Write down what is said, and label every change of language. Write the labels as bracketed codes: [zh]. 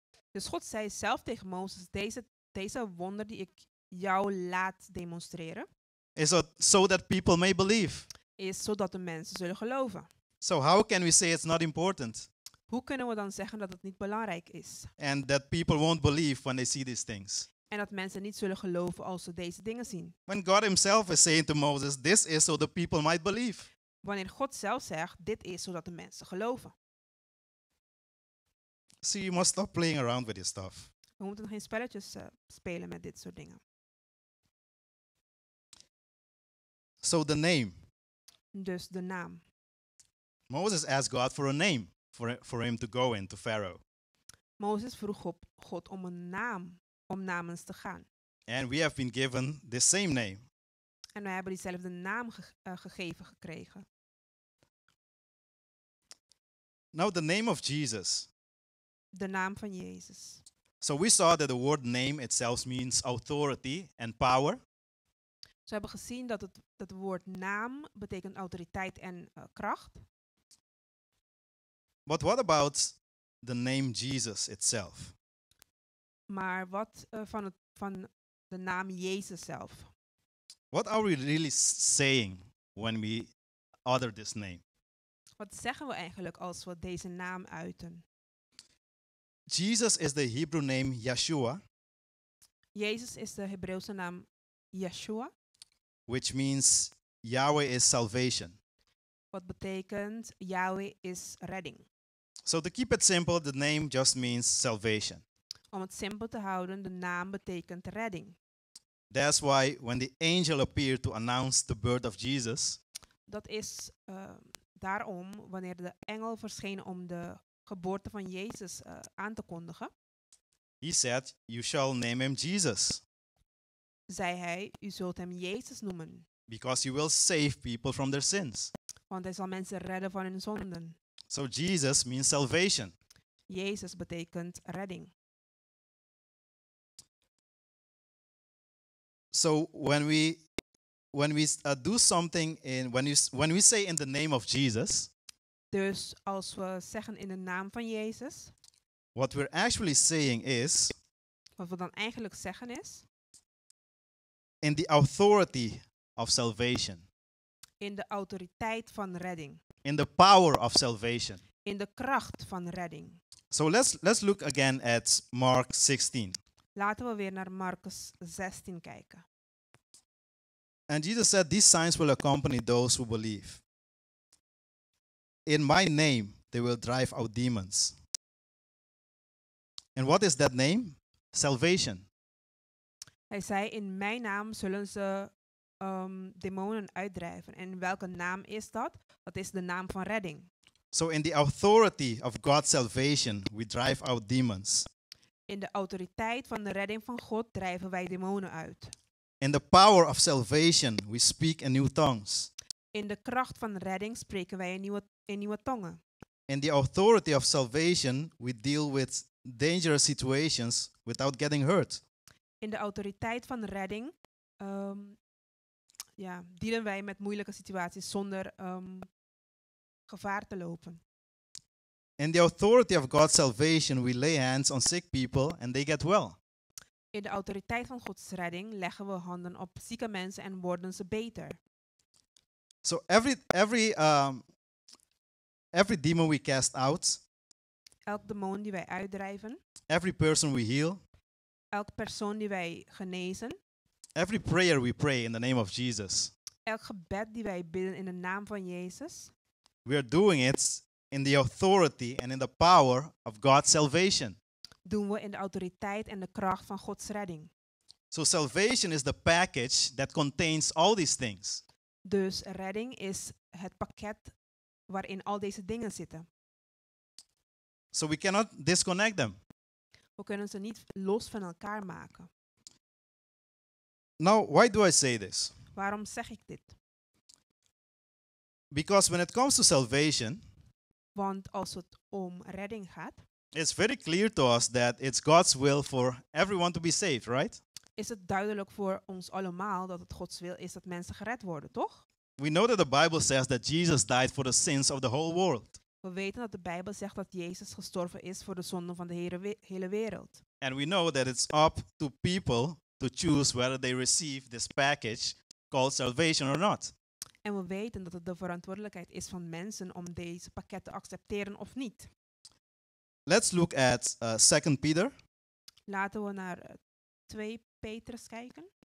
[nl] Dus God zei zelf tegen Mozes, deze wonder die ik jou laat demonstreren. [en] So that people may believe. [nl] Is zodat de mensen zullen geloven. [en] So how can we say it's not important? [nl] Hoe kunnen we dan zeggen dat het niet belangrijk is? [en] And that people won't believe when they see these things. [nl] En dat mensen niet zullen geloven als ze deze dingen zien. [en] When God himself is saying to Moses, this is so the people might believe. [nl] Wanneer God zelf zegt, dit is zodat de mensen geloven. [en] See, you must stop playing around with this stuff. [nl] We moeten geen spelletjes spelen met dit soort dingen. [en] So the name. [nl] Dus de naam. [en] Moses asked God for a name for him to go into Pharaoh. [nl] Moses vroeg op God om een naam, om namens te gaan. [en] And we have been given the same name. [nl] En wij hebben diezelfde naam gegeven gekregen. [en] Now the name of Jesus. [nl] De naam van Jezus. [en] So we saw that the word name itself means authority and power. [nl] We hebben gezien dat dat woord naam betekent autoriteit en kracht. [en] But what about the name Jesus itself? [nl] Maar wat van de naam Jezus zelf? [en] What are we really saying when we utter this name? [nl] Wat zeggen we eigenlijk als we deze naam uiten? [en] Jesus is the Hebrew name Yeshua. [nl] Jezus is de Hebreeuwse naam Yeshua. [en] Which means Yahweh is salvation. [nl] Wat betekent Yahweh is redding. [en] So to keep it simple, the name just means salvation. [nl] Om het simpel te houden, de naam betekent redding. [en] That's why when the angel appeared to announce the birth of Jesus. [nl] Dat is daarom wanneer de engel verscheen om de geboorte van Jezus aan te kondigen. [en] He said, you shall name him Jesus. [nl] Zei hij, u zult hem Jezus noemen. [en] Because he will save people from their sins. [nl] Want hij zal mensen redden van hun zonden. [en] So Jesus means salvation. [nl] Jezus betekent redding. [en] So when we say in the name of Jesus. [nl] Dus als we zeggen in de naam van Jezus. [en] What we're actually saying is. [nl] Wat we dan eigenlijk zeggen is. [en] In the authority of salvation. [nl] In de autoriteit van redding. [en] In the power of salvation. [nl] In de kracht van redding. [en] So let's look again at Mark 16. [nl] Laten we weer naar Marcus 16 kijken. [en] And Jesus said, these signs will accompany those who believe. In my name, they will drive out demons. And what is that name? Salvation. [nl] Hij zei, in mijn naam zullen ze demonen uitdrijven. En welke naam is dat? Dat is de naam van redding. [en] So in the authority of God's salvation, we drive out demons. [nl] In de autoriteit van de redding van God drijven wij demonen uit. [en] In the power of salvation, we speak in new tongues. [nl] In de kracht van redding spreken wij in nieuwe tongen. [en] In the authority of salvation, we deal with dangerous situations without getting hurt. [nl] In de autoriteit van redding dealen wij met moeilijke situaties zonder gevaar te lopen. [en] In the authority of God's salvation, we lay hands on sick people and they get well. [nl] In de autoriteit van Gods redding leggen we handen op zieke mensen en worden ze beter. [en] So every demon we cast out. [nl] Elk demon die wij uitdrijven. [en] Every person we heal. [nl] Elk persoon die wij genezen. [en] Every prayer we pray in the name of Jesus. [nl] Elk gebed die wij bidden in de naam van Jezus. [en] We are doing it in the authority and in the power of God's salvation. [nl] Doen we in de autoriteit en de kracht van Gods redding. [en] So salvation is the package that contains all these things. [nl] Dus redding is het pakket waarin al deze dingen zitten. [en] So we cannot disconnect them. [nl] We kunnen ze niet los van elkaar maken. [en] Now, why do I say this? [nl] Waarom zeg ik dit? [en] Because when it comes to salvation, [nl] want als het om redding gaat, [en] it's very clear to us that it's God's will for everyone to be saved, right? [nl] Is het duidelijk voor ons allemaal dat het Gods wil is dat mensen gered worden, toch? [en] We know that the Bible says that Jesus died for the sins of the whole world. [nl] We weten dat de Bijbel zegt dat Jezus gestorven is voor de zonden van de hele wereld. [en] And we know that it's up to people to choose whether they receive this package called salvation or not. [nl] En we weten dat het de verantwoordelijkheid is van mensen om deze pakket te accepteren of niet. [en] Let's look at 2 Peter. [nl] Laten we naar 2 Petrus kijken.